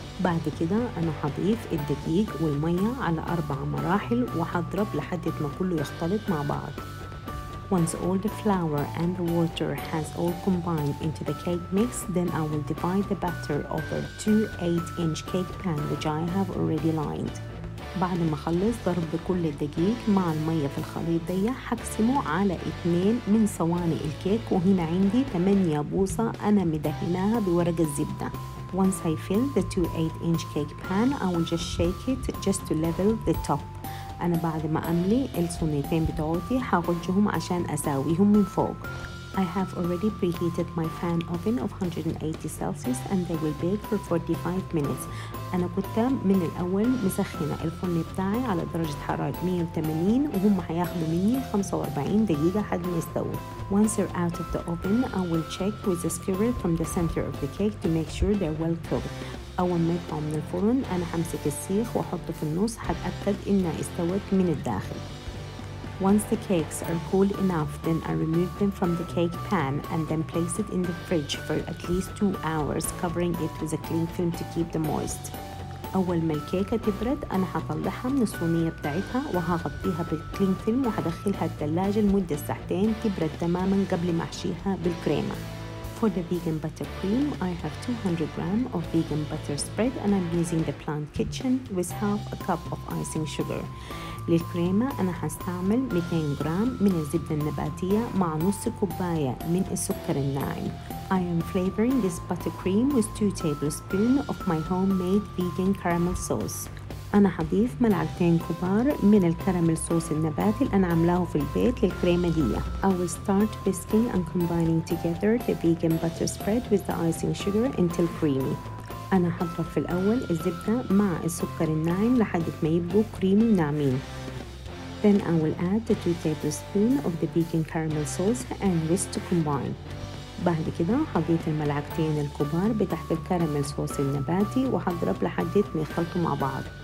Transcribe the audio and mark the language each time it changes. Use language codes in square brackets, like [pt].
[ar] بعد كده أنا هضيف الدقيق والمية على 4 مراحل وهضرب لحد ما كله يختلط مع بعض. [en] Once all the flour and the water has all combined into the cake mix, then I will divide the batter over 2 8-inch cake pan which I have already lined. [ar] بعد ما خلص ضرب كل الدقيق مع المية في الخليط دي، هقسمه على 2 من صواني الكيك، وهنا عندي 8 بوصة أنا مدهناها بورق الزبدة. [en] Once I fill the 2 8-inch cake pan, I will just shake it just to level the top. [ar] أنا بعد ما أملي الصينيتين بتوعتي هغجهم عشان أساويهم من فوق. [en] I have already preheated my fan oven of 180 Celsius and they will bake for 45 minutes. [ar] أنا كنت من الأول مسخنة الفرن بتاعي على درجة حرارة 180 وهم هياخدوا مني 45 دقيقة حد ما يستووا. [en] Once they're out of the oven, I will check with the skewer from the center of the cake to make sure they're well cooked. [ar] أول ما يطلعوا من الفرن أنا همسك السيخ وأحطه في النص هتأكد إنها استوت من الداخل. [en] Once the cakes are cool enough, then I remove them from the cake pan and then place it in the fridge for at least 2 hours, covering it with a cling film to keep them moist. [ar] أول ما الكيكة تبرد أنا هطلعها من الصينية بتاعتها وهغطيها بالكلينج فيلم وهدخلها الثلاجة لمدة ساعتين تبرد تماما قبل ما أحشيها بالكريمة. [en] For the vegan buttercream, I have 200 grams of vegan butter spread and I'm using the plant kitchen with 1/2 cup of icing sugar. [ar] للكريمة أنا هستعمل 200 جرام من الزبدة النباتية مع نص كوباية من السكر الناعم. [en] I am flavoring this buttercream with 2 tablespoons of my homemade vegan caramel sauce. [ar] أنا هضيف ملعقتين كبار من الكراميل صوص النباتي اللي أنا عملاه في البيت للكريمة دي. [en] I will start whisking and combining together the vegan butter spread with the icing sugar until creamy. [ar] أنا هضرب في الأول الزبدة مع السكر الناعم لحد ما يبقوا كريمي وناعمين. [en] Then I will add the 2 tablespoons of the vegan caramel sauce and whisk to combine. [ar] بعد كده حضيت الملعقتين الكبار بتحت الكراميل صوص النباتي وحضرب لحد ما يخلطوا مع بعض.